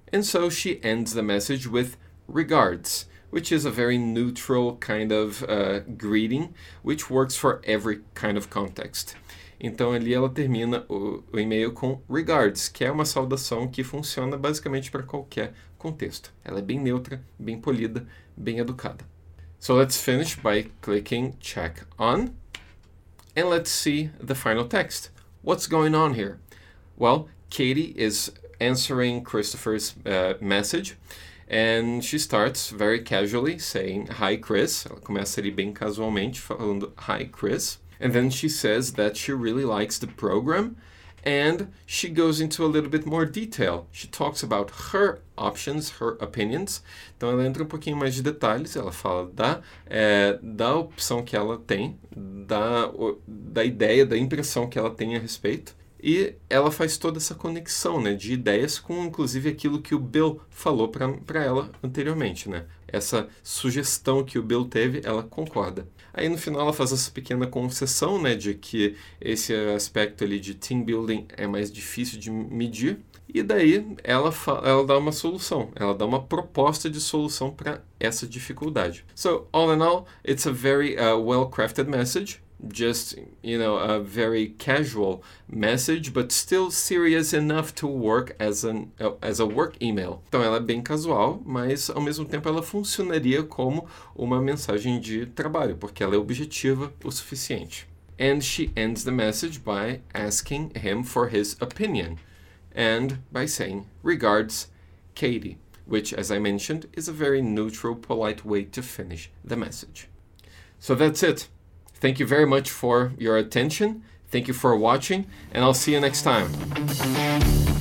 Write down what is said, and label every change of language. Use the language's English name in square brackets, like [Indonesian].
[English] And so she ends the message with regards, which is a very neutral kind of greeting, which works for every kind of context. [Portuguese] Então ali ela termina o e-mail com regards, que é uma saudação que funciona basicamente para qualquer contexto. Ela é bem neutra, bem polida, bem educada. [English] So let's finish by clicking check on, and let's see the final text. What's going on here? Well, Katie is answering Christopher's message, And she starts very casually saying, "Hi, Chris." Ela começa ali bem casualmente falando, "Hi, Chris." And then she says that she really likes the program. And she goes into a little bit more detail. She talks about her options, her opinions. [Portuguese] Então ela entra um pouquinho mais de detalhes. Ela fala da opção que ela tem, da ideia, da impressão que ela tem a respeito. E ela faz toda essa conexão, né, de ideias com, inclusive, aquilo que o Bill falou para ela anteriormente, né? Essa sugestão que o Bill teve, ela concorda. Aí no final ela faz essa pequena concessão, né, de que esse aspecto ali de team building é mais difícil de medir. E daí ela dá uma solução, ela dá uma proposta de solução para essa dificuldade. [English] So, all in all, it's a very well-crafted message. Just, a very casual message, but still serious enough to work as a work email. [Portuguese] Então ela é bem casual, mas ao mesmo tempo ela funcionaria como uma mensagem de trabalho, porque ela é objetiva o suficiente. [English] And she ends the message by asking him for his opinion and by saying, "Regards, Katie," which, as I mentioned, is a very neutral, polite way to finish the message. So that's it. Thank you very much for your attention. Thank you for watching, and I'll see you next time.